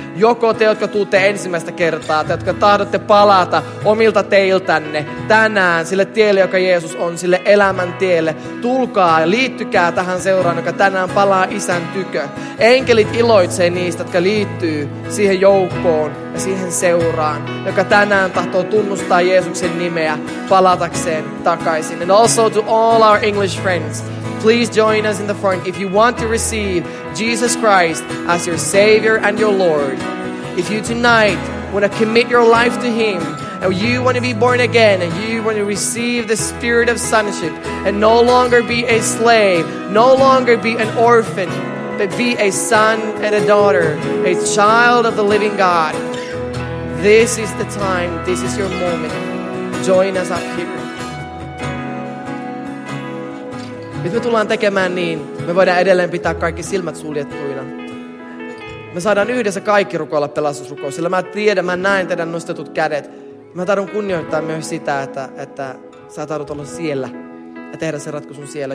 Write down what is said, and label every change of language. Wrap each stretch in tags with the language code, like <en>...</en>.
<fi>Joko te, jotka tuutte ensimmäistä kertaa, te, jotka tahdotte palata omilta teiltänne tänään sille tielle, joka Jeesus on, sille elämän tielle. Tulkaa ja liittykää tähän seuraan, joka tänään palaa isän tykö. Enkelit iloitsee niistä, jotka liittyy siihen joukkoon ja siihen seuraan, joka tänään tahtoo tunnustaa Jeesuksen nimeä palatakseen takaisin.</fi> <en>And also to all our English friends. Please join us in the front if you want to receive Jesus Christ as your Savior and your Lord. If you tonight want to commit your life to Him, and you want to be born again, and you want to receive the Spirit of Sonship, and no longer be a slave, no longer be an orphan, but be a son and a daughter, a child of the living God, this is the time, this is your moment. Join us up here.</en> <fi>Nyt me tullaan tekemään niin, me voidaan edelleen pitää kaikki silmät suljettuina. Me saadaan yhdessä kaikki rukoilla pelastusrukoon, sillä mä tiedän, mä näen teidän nostetut kädet. Mä tahdon kunnioittaa myös sitä, että sä tahdot olla siellä ja tehdä sen ratkaisun siellä.</fi>